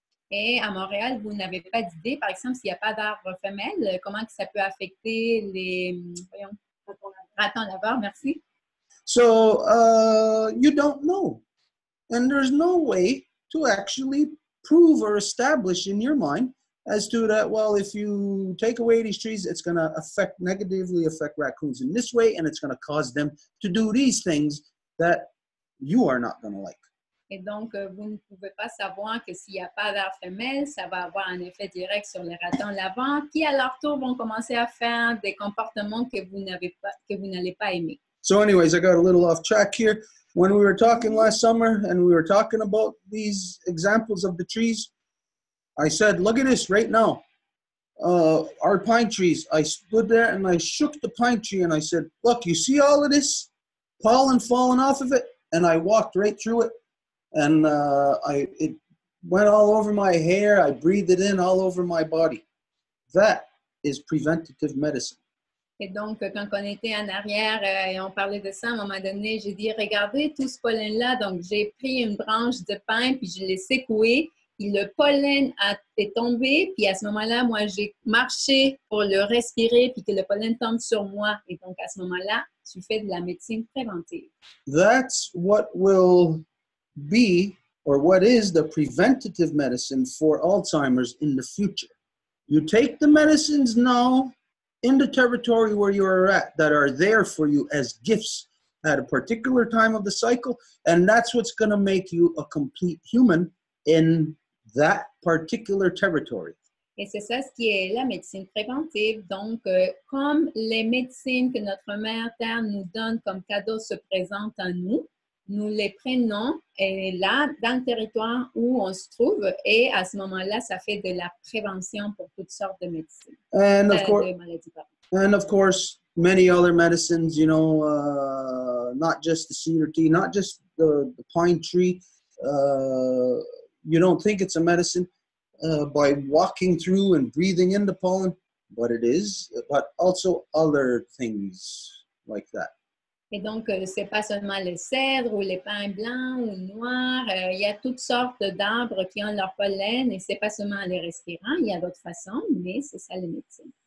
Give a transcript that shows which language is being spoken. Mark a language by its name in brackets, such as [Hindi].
[French] Et à Montréal, vous n'avez pas d'idée, par exemple, s'il n'y a pas d'arbres femelles, comment que ça peut affecter les... Voyons. Raton laveur, merci. [English] So, you don't know. And there's no way to actually prove or establish in your mind as to that, well, if you take away these trees, it's going to affect, negatively affect raccoons in this way, and it's going to cause them to do these things that you are not going to like. [French] Et donc, vous ne pouvez pas savoir que s'il n'y a pas d'air femelle, ça va avoir un effet direct sur les ratons laveurs qui, à leur tour, vont commencer à faire des comportements que vous, n'allez pas aimer. [English] So anyways, I got a little off track here. When we were talking last summer and we were talking about these examples of the trees, I said, look at this right now. Our pine trees. I stood there and I shook the pine tree and I said, look, you see all of this pollen falling off of it? And I walked right through it. And it went all over my hair. I breathed it in all over my body. That is preventative medicine. [French] Et donc, quand on était en arrière et on parlait de ça, à un moment donné, j'ai dit, regardez tout ce pollen-là. Donc, j'ai pris une branche de pin puis je l'ai secoué. Et le pollen est tombé. Puis à ce moment-là, moi, j'ai marché pour le respirer puis que le pollen tombe sur moi. Et donc, à ce moment-là, tu fais de la médecine préventive. [English] That's what will be, or what is the preventative medicine for Alzheimer's in the future. You take the medicines now in the territory where you are at that are there for you as gifts at a particular time of the cycle, and that's what's going to make you a complete human in that particular territory. [French] Et c'est ça ce qui est la médecine préventive. Donc, comme les médecines que notre mère Terre nous donne comme cadeau se présentent à nous, nous les prenons et là, dans le territoire où on se trouve, et à ce moment-là, ça fait de la prévention pour toutes sortes de médecines. [English] And of course, many other medicines, you know, not just the cedar tree, not just the pine tree. You don't think it's a medicine by walking through and breathing in the pollen, but it is, but also other things like that. [French] Et donc, c'est pas seulement les cèdres ou les pins blancs ou noirs. Il y a toutes sortes d'arbres qui ont leur pollen et c'est pas seulement les respirants. Il y a d'autres façons, mais c'est ça le médecin.